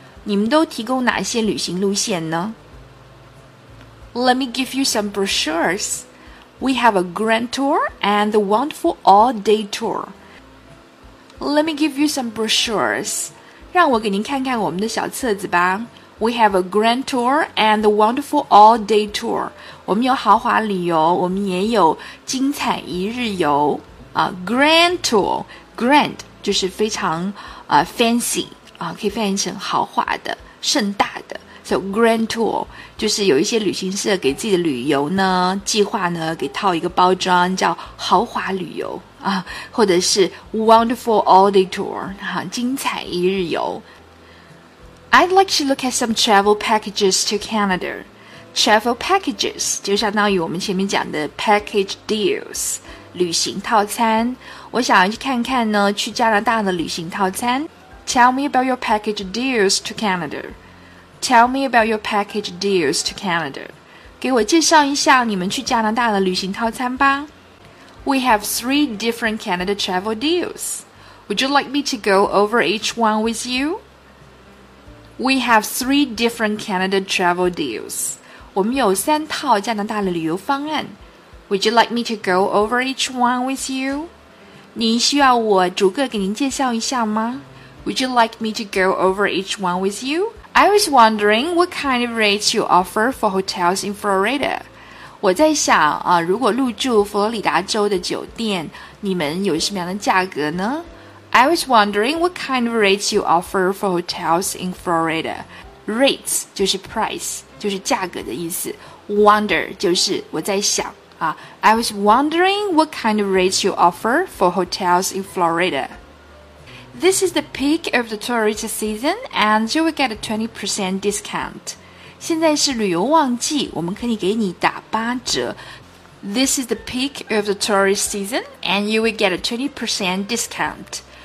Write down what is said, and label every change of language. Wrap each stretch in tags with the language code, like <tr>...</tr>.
<zh>你们都提供哪些旅行路线呢？</zh> <en>Let me give you some brochures. We have a grand tour and the wonderful all-day tour. Let me give you some brochures.</en> <zh>让我给您看看我们的小册子吧。</zh> <en>We have a grand tour and the wonderful all-day tour.</en> <zh>我们有豪华旅游，我们也有精彩一日游。 Grand tour, grand 就是非常fancy, 可以翻译成豪华的、盛大的。 So grand tour 就是有一些旅行社给自己的旅游呢计划呢给套一个包装叫豪华旅游啊，或者是</zh> <en>wonderful all day tour、</en> <zh>啊、精彩一日游。</zh> <en>I'd like to look at some travel packages to Canada. Travel packages</en> <zh>就相当于我们前面讲的</zh> <en>package deals 旅行套餐。</en> <zh>我想要去看看呢去加拿大的旅行套餐。</zh> <en>Tell me about your package deals to Canada. Tell me about your package deals to Canada.</en> <zh>给我介绍一下你们去加拿大的旅行套餐吧。</zh> <en>We have three different Canada travel deals. Would you like me to go over each one with you? We have three different Canada travel deals.</en> <zh>我们有三套加拿大的旅游方案。</zh> <en>Would you like me to go over each one with you?</en> <zh>您需要我逐个给您介绍一下吗？</zh> <en>Would you like me to go over each one with you? I was wondering what kind of rates you offer for hotels in Florida.</en> <zh>我在想、啊、如果入住佛罗里达州的酒店你们有什么样的价格呢？</zh> <en>I was wondering what kind of rates you offer for hotels in Florida. Rates 就是 price,</en> <zh>就是价格的意思。</zh> <en>Wonder</en> <zh>就是我在想、</zh> <en>啊、I was wondering what kind of rates you offer for hotels in Florida. This is the peak of the tourist season, and you will get a 20% discount.</en> <zh>现在是旅游旺季，我们可以给你打八折。</zh> <en>This is the peak of the tourist season, and you will get a 20% discount.</en>